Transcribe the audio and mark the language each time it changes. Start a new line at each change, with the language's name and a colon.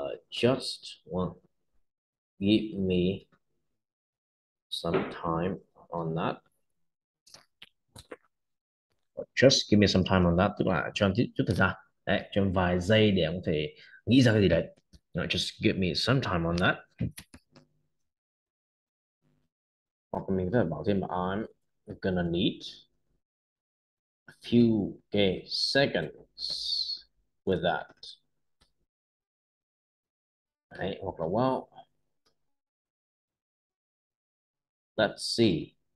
English: Just one. Give me some time on that. Give me some time on that,
Vietnamese: tức là cho anh chút thời gian. Đấy, cho vài giây để anh có thể nghĩ ra cái gì đấy.
English: No, just give me some time on that.
Vietnamese: Hoặc mình có thể bảo thêm là
English: I'm gonna need a few seconds with that.
Vietnamese: Đấy, hoặc là
English: well, let's see.